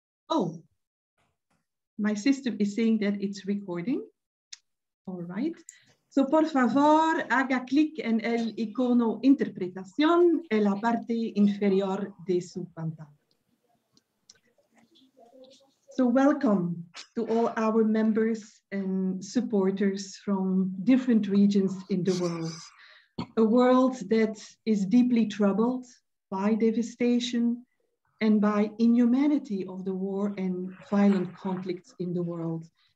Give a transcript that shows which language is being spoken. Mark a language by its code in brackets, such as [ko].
[en] Oh, my system is saying that it's recording. All right. [es] So, por favor, haga clic en el icono interpretación en la parte inferior de su pantalla. [en] So, welcome to all our members and supporters from different regions in the world. A world that is deeply troubled by devastation and by inhumanity of the war and violent conflicts in the world.